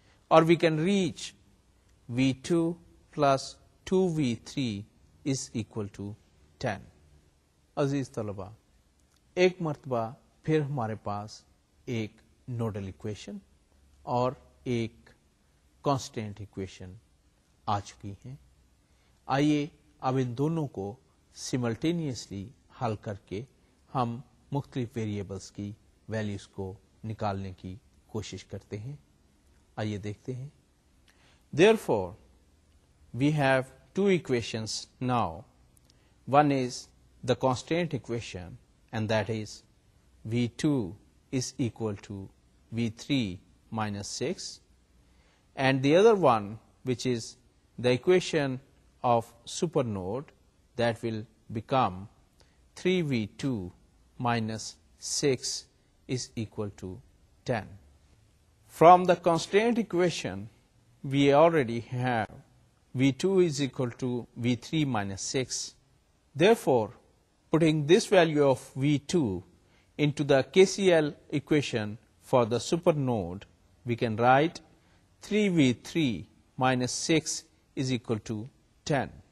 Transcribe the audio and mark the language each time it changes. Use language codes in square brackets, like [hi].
[en] Or we can reach V2 plus 2V3 is equal to 10. [ur] Aziz Talaba, ek martaba phir humare paas ek nodal equation aur ek constant equation آ چکی ہیں. آئیے اب ان دونوں کو سیملٹینیسلی حل کر کے ہم مختلف ویریبلس کی ویلیوز کو نکالنے کی کوشش کرتے ہیں. آئیے دیکھتے ہیں. [en] Therefore we have two equations now. One is the constant equation and that is V two is equal to V three minus six and the other one which is the equation of super node that will become 3v2 minus 6 is equal to 10. From the constraint equation we already have v2 is equal to v3 minus 6. Therefore, putting this value of v2 into the KCL equation for the super node, we can write 3v3 minus 6 is equal to 10.